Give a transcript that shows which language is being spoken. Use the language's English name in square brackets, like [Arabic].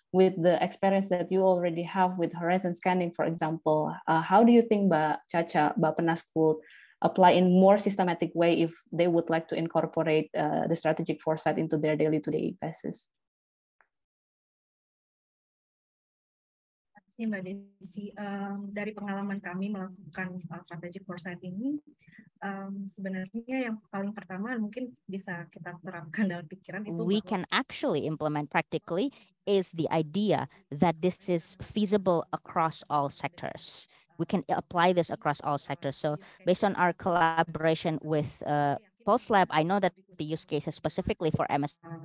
[English] With the experience that you already have with horizon scanning, for example, how do you think Bappenas could apply in more systematic way if they would like to incorporate the strategic foresight into their day-to-day basis. [Indonesian] Ya, Mbak Desi, dari pengalaman kami melakukan strategic foresight ini, sebenarnya yang paling pertama mungkin bisa kita terapkan dalam pikiran itu. [English] We can actually implement practically is the idea that this is feasible across all sectors. We can apply this across all sectors. So based on our collaboration with Pulse Lab, I know that the use case is specifically for MS.